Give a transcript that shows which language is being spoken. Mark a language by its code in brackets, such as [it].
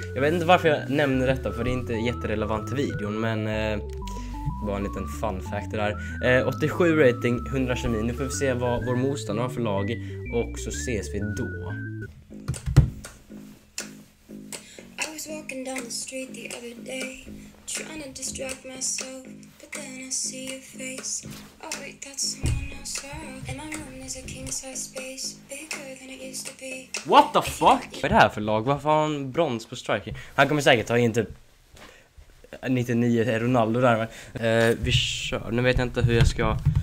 [sv] Jag vet inte varför jag nämner detta, för det är inte jätterelevant till videon, men bara en liten fun factor där. 87 rating, 100 kemi. Nu får vi se vad vår motståndare har för lag, och så ses vi då. [en] I was walking down the street the other day, trying to distract myself, but then I see your face. Oh wait, that's someone else. In my room there's a king size space, bigger than it used to be. What the fuck? [sv] Vad är det här för lag? Varför har han brons på striker? Han kommer säkert ha in typ 99 Ronaldo där. Vi kör. Nu vet jag inte hur jag ska.